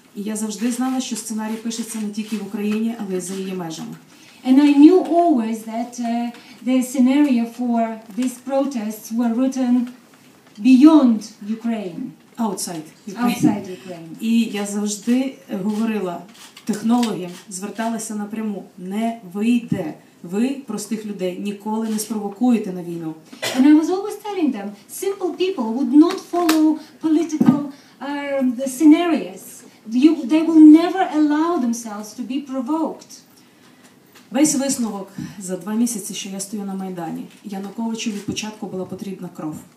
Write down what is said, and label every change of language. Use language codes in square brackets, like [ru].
[uk] І я завжди знала, що сценарій пишеться не тільки в Україні, але й за її межами. [en] And I knew always that the scenario for these protests were written beyond Ukraine. Outside Ukraine. Outside Ukraine. [uk] І я завжди говорила технологіям, зверталася напряму, не вийде. Ви простих людей ніколи не спровокуєте на війну. [en] And I was always telling them, simple people would not follow political scenarios. They will never allow themselves to be provoked. [uk] Весь висновок за два місяці, що я стою на Майдані, Януковичу від початку була потрібна кров.